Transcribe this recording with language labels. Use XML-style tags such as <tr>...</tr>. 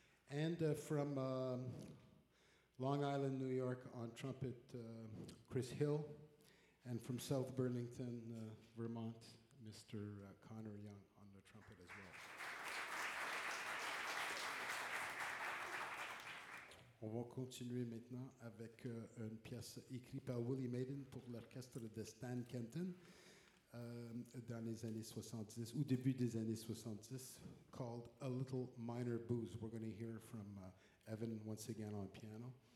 <en>And from Long Island, New York, on trumpet, Chris Hill. And from South Burlington, Vermont, Mr. Connor Young on the trumpet as well.</en> <fr>On va continuer maintenant avec une pièce écrite par Willie Madden pour l'orchestre de Stan Kenton dans les années 70, ou début des années 70,</fr> <en>called A Little Minor Booze. We're going to hear from Evan once again on piano.</en>